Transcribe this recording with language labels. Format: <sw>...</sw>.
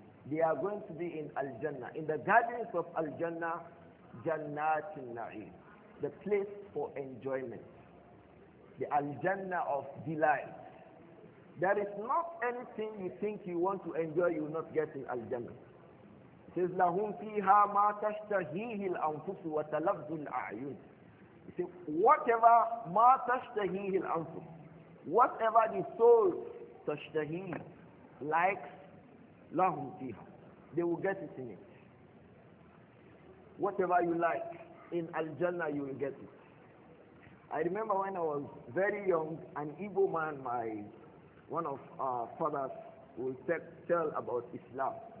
<en>They are going to be in Al-Jannah. In the gardens of Al-Jannah,</en> <ar>جَنَّاتِ النَّعِيمِ.</ar> <en>The place for enjoyment. The Al-Jannah of delight. There is not anything you think you want to enjoy, you will not get in Al-Jannah.</en> <ar>Says لهم فيها ما تشتهيه الأنفس وتلذ الأعين.</ar> <en>He says, whatever</en> <ar>ما تشتهيه الأنفس,</ar> <en>whatever the soul تشتهيه likes,</en> <ar>لهم فيها,</ar> <en>they will get it in it. Whatever you like in Al-Jannah, you will get it. I remember when I was very young, an evil man, one of our fathers, would tell about Islam.</en>